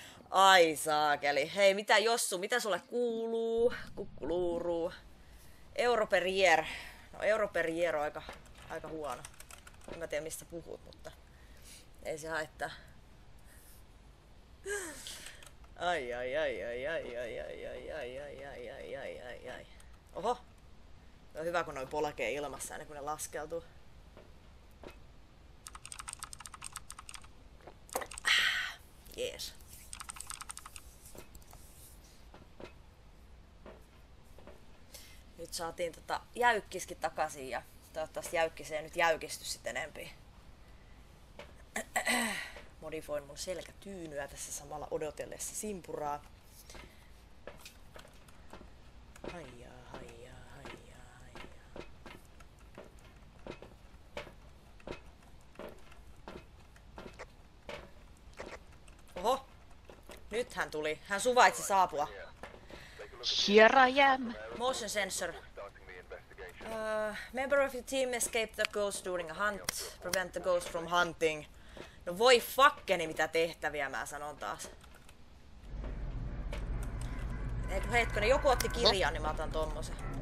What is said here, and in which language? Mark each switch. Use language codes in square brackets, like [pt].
[fi] Ai saakeli. Hei, mitä Jossu, mitä sulle kuuluu? Kukkuluuruu. [en] Euro per year. [fi] No [en] euro per year [fi] on aika huono. En mä tiedä mistä puhut, mutta ei se haittaa. Ai ai ai ai ai ai ai ai ai ai ai ai ai ai ai. Oho. No hyvä, kun noi polkee ilmassa ennen kuin ne laskeutuu. Jees. Nyt saatiin tota jäykkiskin takaisin ja toivottavasti jäykkis ei nyt jäykisty sit enempi. Modifoin mun selkätyynyä tässä samalla odotellessa simpuraa. Ai jaa. Oho, nyt hän tuli. Hän suvaitsi saapua. [en] Here I am. Motion sensor. Member of your team escaped the ghost during a hunt. Prevent the ghost from hunting. [fi] No voi fuckeni, mitä tehtäviä mä sanon taas. Hetkinen, joku otti kirjaa, niin mä otan tommosen.